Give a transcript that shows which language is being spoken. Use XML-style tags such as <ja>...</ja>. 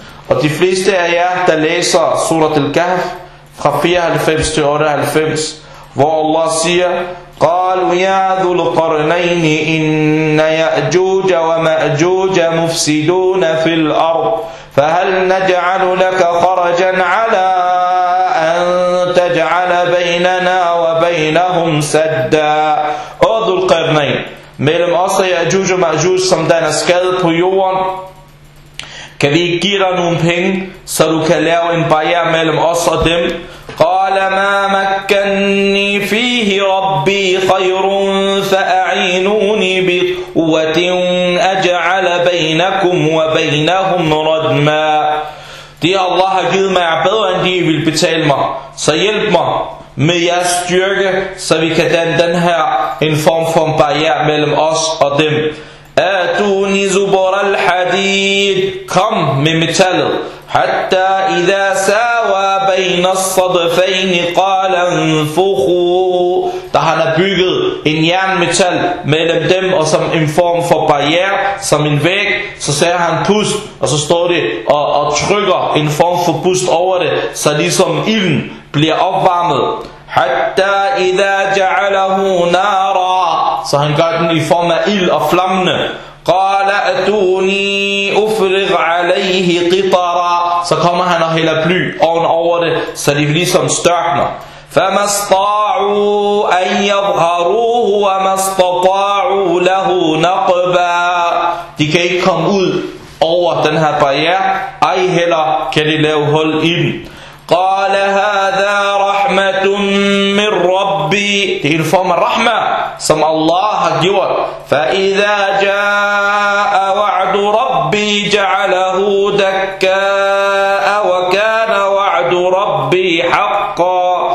<da>Og de fleste af jer, der læser Surat al-Kahf fra 94 til 98, hvor Allah siger,</da> <ar>قالوا يا ذو القرنين</ar> <da>إن يأجوج ومأجوج مفسدون في الأرض فهل نجعل لك خرجا على أن تجعل بيننا وبينهم سدا ذو القرنين mellem os og Ya'juj og Ma'juj, som der er skadet på jorden, kan vi ikke give dig nogle penge, så du kan lave en barriere mellem os og dem?</da> <ar>قال ما مكنني فيه ربي خير فأعينوني بقوة أجعل بينكم وبينهم ردما.</ar> <da>Det Allah har givet mig er bedre end det, I vil betale mig. Så hjælp mig med jeres styrke, så vi kan danne den her en form for en barriere mellem os og dem.</da> <ar>Atuni zubur al-hadid.</ar> <da>Kom med metallet.</da> <ar>حتى إذا ساوى بين الصدفين قال انفخوا.</ar> <da>Der han har bygget en jernmetal mellem dem, og som en form for barriere, som en væg, så sagde han pust, og så står det og trykker en form for pust over det, så ligesom ilden bliver opvarmet.</da> <ar>حتى إذا جعله نارا.</ar> <da>Så han gør den i form af ild og flammende.</da> <ar>قال أتوني أفرغ عليه قطرا.</ar> <da>Så kommer han og hælder bly oven over det, så de ligesom størkner.</da> <ar>فما استطاعوا أن يظهروه وما استطاعوا له نقبا.</ar> <da>De kan ikke komme ud over den her barriere, ej heller kan de lave hul i den.</da> <ar>قال هذا رحمة من ربي.</ar> <da>Det er en form af rahma, som Allah har gjort.</da> <ar>فإذا جاء وعد ربي جعله دكا وكان وعد ربي حقا.</ar>